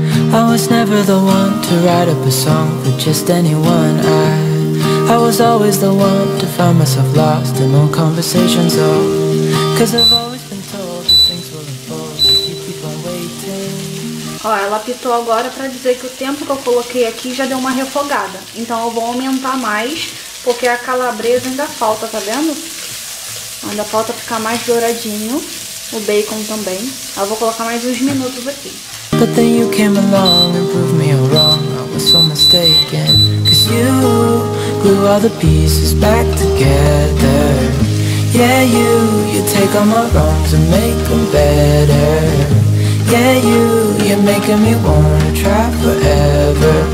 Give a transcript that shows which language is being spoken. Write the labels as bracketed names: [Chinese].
[English] I was never the one to write up a song for just anyone. I was always the one to find myself lost in long conversations. Oh, 'cause I've always been told that things will unfold if you keep on waiting. [Portuguese] Ó, ela apitou agora pra dizer que o tempo que eu coloquei aqui já deu uma refogada. Então eu vou aumentar mais, porque a calabresa ainda falta, tá vendo? Ainda falta ficar mais douradinho. O bacon também. Eu vou colocar mais uns minutos aqui. [English] But then you came along and proved me all wrong. I was so mistaken. 'Cause you glue all the pieces back together. Yeah, you take all my wrongs and make them better. Yeah, you're making me wanna try forever.